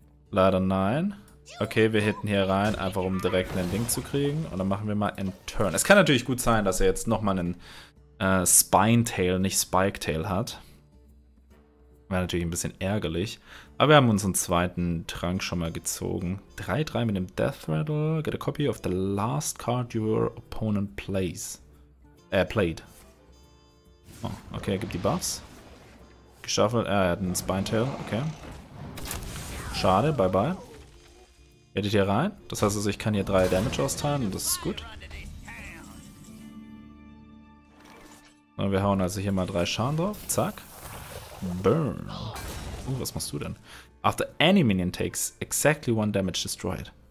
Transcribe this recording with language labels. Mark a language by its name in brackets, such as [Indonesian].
[German] Leider nein. Okay, wir hitten hier rein, einfach um direkt einen Ding zu kriegen. Und dann machen wir mal einen Turn. Es kann natürlich gut sein, dass er jetzt nochmal einen Spinetail, nicht Spiketail hat. Wäre natürlich ein bisschen ärgerlich. Aber wir haben unseren zweiten Trank schon mal gezogen. 3-3 mit dem Death Rattle. [English] Get a copy of the last card your opponent plays. Played. [German] Oh, okay, er gibt die Buffs. Geschaffelt. Er hat einen Spinetail. Okay. Schade, bye bye. Edit hier rein. Das heißt also, ich kann hier 3 Damage austeilen und das ist gut. Und wir hauen also hier mal 3 Schaden drauf. Zack. Burn. Was machst du denn? [English] After any minion takes exactly 1 damage destroyed.